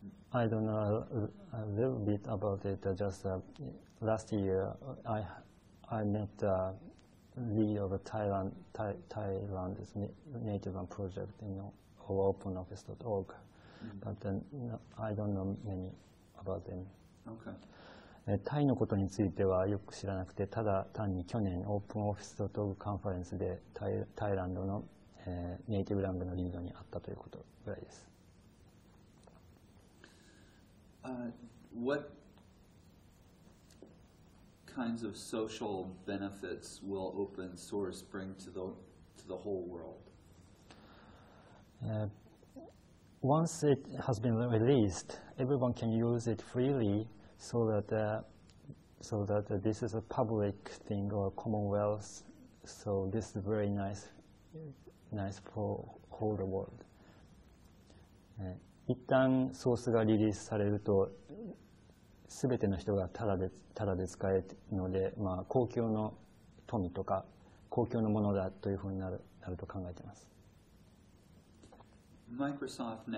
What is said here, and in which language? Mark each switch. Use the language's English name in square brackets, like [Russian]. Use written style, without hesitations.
[English] I don't know a little bit about it. Just last year, I met the leader of Thailand's Native and Project, openoffice.org. Mm-hmm. But I don't know many about them. Okay. [Japanese] タイのことについてはよく知らなくて、ただ単に去年 openoffice.org カンファレンスでタイランドの、ネイティブランドのリードに会ったということぐらいです。 [English] What kinds of social benefits will open source bring to the whole world? Once it has been released, everyone can use it freely, so that this is a public thing or commonwealth. So this is very nice for whole the world. [Japanese] 一旦ソースがリリースされると、すべての人がただで使えるので、まあ、公共の富とか公共のものだというふうになると考えています。